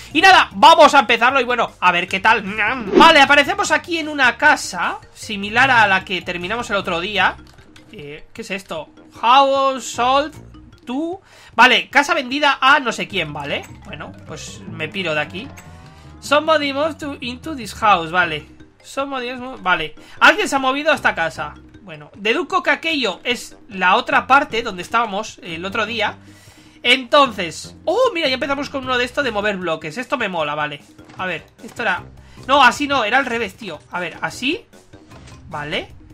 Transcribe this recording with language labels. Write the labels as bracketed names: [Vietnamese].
[Spanish] Y nada, vamos a empezarlo y bueno, a ver qué tal. Vale, aparecemos aquí en una casa similar a la que terminamos el otro día. ¿Qué es esto? [English] House sold to... [Spanish] Vale, casa vendida a no sé quién, ¿vale? Bueno, pues me piro de aquí. [English] Somebody moved into this house, vale. Somebody has moved... [Spanish] Vale, alguien se ha movido a esta casa. Bueno, deduzco que aquello es la otra parte donde estábamos el otro día. Entonces, oh, mira, ya empezamos con uno de estos de mover bloques. Esto me mola, vale. A ver, esto era... No, así no, era al revés, tío. A ver, así. Vale.